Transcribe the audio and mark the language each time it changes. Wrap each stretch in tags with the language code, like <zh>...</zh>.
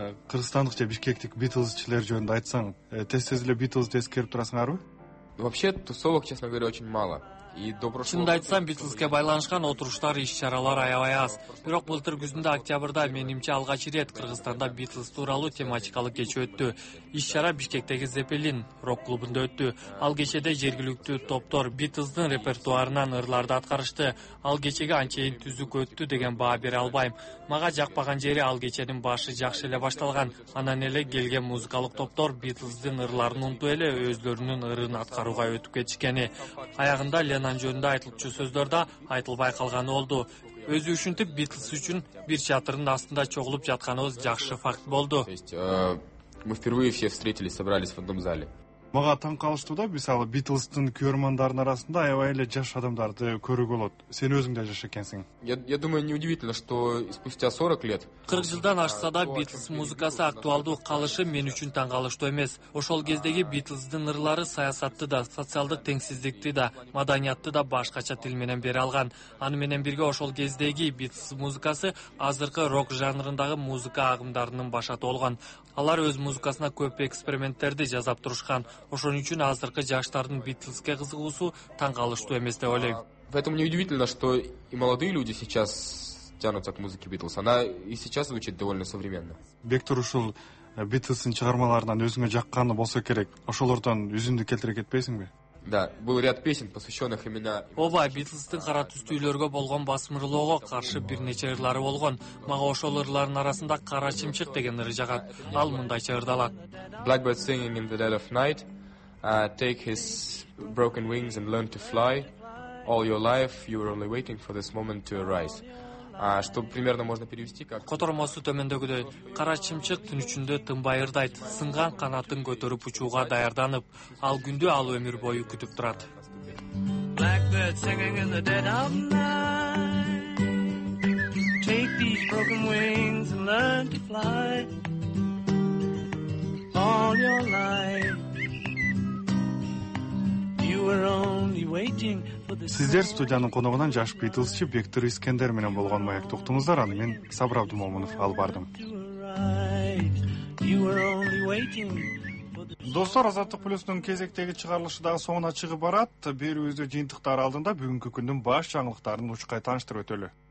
<ky>Кыргызстандыкча бишкектик Битлзчилер жөнүндө айтсаң, тез-тез эле Битлзди эскерип турасыңарбы?</ky> <ru>Вообще, тусовок, честно говоря, очень мало.</ru> <ky>Чынды айтсам, Битлзге байланышкан отуруштар, иш-чаралар аябай аз. Бирок былтыр күзүндө октябрда менимче алгач ирет Кыргызстанда Битлз тууралуу тематикалык кечи өттү. Иш-чара Бишкектеги Зепелин рок-клубунда өттү. Ал кечеде жергиликтүү топтор Битлздин репертуарынан ырларды аткарышты. Ал кечеге анчейин түзүк өттү деген баа бере албайм. Мага жакпаган жери ал кеченин башы жакшы эле башталган. Анан эле келген музыкалык топтор Битлздин ырларын унутуп эле өздөрүнүн ырын аткарууга өтүп кетишкени. Аягында анан жөнүндө айтылчу сөздөрдө айтылбай калганы болду. Өзү ушинтип Битлз үчүн бир чатырдын астында чогулуп жатканыбыз жакшы факт болду.</ky> <ru>Мы впервые все встретились, собрались в одном зале.</ru> <ky>Мага таң калыштуу да, мисалы Битлздин көрөрмандарынын арасында аябай эле жаш адамдарды көрүүгө болот. Сен өзүң да жаш экенсиң.</ky> <ru>Я думаю, не удивительно, что спустя 40 лет.</ru> <ky>40 жылдан ашса да Битлз музыкасы актуалдуу калышы мен үчүн таң калыштуу эмес. Ошол кездеги Битлздин ырлары саясатты да, социалдык теңсиздикти да, маданиятты да башкача тил менен бере алган. Аны менен бирге ошол кездеги Битлз музыкасы азыркы рок жанрындагы музыка агымдарынын башаты болгон. Алар өз музыкасына көп эксперименттерди жасап турушкан. Ошон үчүн азыркы жаштардын Битлзге кызыгуусу таң калыштуу эмес деп ойлойм.</ky> <ru>Поэтому не удивительно, что и молодые люди сейчас тянутся к музыке Битлз. Она и сейчас звучит довольно современно.</ru> <ky>Бектур, ушул Битлздин чыгармаларынан өзүңө жакканы болсо керек, ошолордон үзүндү келтире кетпейсиңби?</ky> <ru>Да, был ряд песен, посвященных именно...</ru> <ky>Оба, Битлздин кара түстүүлөргө болгон басмырлоого каршы бир нече ырлары болгон. Мага ошол ырлардын арасында «Кара чымчык» деген ыры жагат. Ал мындайча ырдалат.</ky> <en>Blackbird singing in the dead of night. Take his broken wings and learn to fly. All your life you were only waiting for this moment to arise.</en> <ru>Что примерно можно перевести как...</ru> <ky>Котормосу төмөндөгүдөй. Кара чымчык түн ичинде тынбай ырдайт. Сынган канатын көтөрүп учууга даярданып, ал күндү ал өмүр бою күтүп турат.</ky> <en>Blackbird singing in the dead of night. Take these broken wings and learn to fly. All your life you were only waiting.</en> <ky>Сиздер студиянын коногунан жаш Битлзчи Бектур Искендер менен болгон маекти уктуңуздар. Аны мен Сабыр Абдымомунов алып бардым. Достор, Азаттык Плюстун кезектеги чыгарылышы дагы соңуна чыгып барат. Берүүбүздү жыйынтыктары алдында бүгүнкү күндүн баш жаңылыктарын учкай тааныштырып өтөлү.</ky>